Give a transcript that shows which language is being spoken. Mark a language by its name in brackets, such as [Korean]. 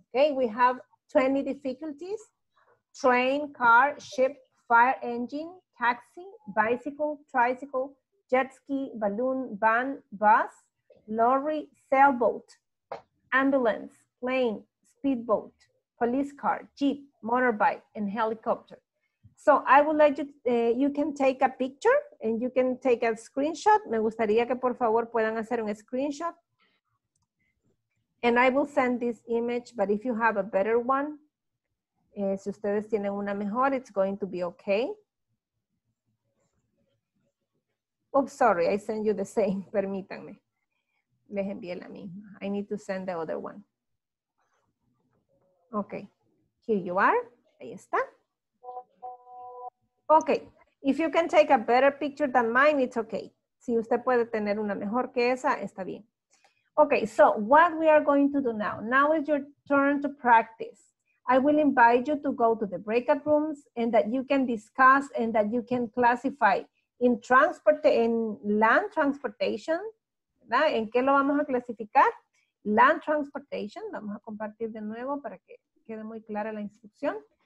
[English] Okay, we have 20 difficulties: train, car, ship, fire engine, taxi, bicycle, tricycle, jet ski, balloon, van, bus, lorry, sailboat, ambulance, plane, speedboat, police car, jeep, motorbike, and helicopter. So I would like you, you can take a picture and you can take a screenshot. [Spanish] Me gustaría que por favor puedan hacer un screenshot. [English] And I will send this image, but if you have a better one, [Spanish] si ustedes tienen una mejor, [English] it's going to be okay. Oops, sorry, I sent you the same, [Spanish] permítanme. Les envié la misma. [English] I need to send the other one. Okay, here you are, [Spanish] ahí está. [English] Okay, if you can take a better picture than mine, it's okay. [Spanish] Si usted puede tener una mejor que esa, está bien. [English] Okay, so what we are going to do now. Now is your turn to practice. I will invite you to go to the breakout rooms and that you can discuss and that you can classify in transport, in land transportation. [Spanish] ¿Verdad? ¿En qué lo vamos a clasificar? Land transportation. Vamos a compartir de nuevo para que quede muy clara la instrucción.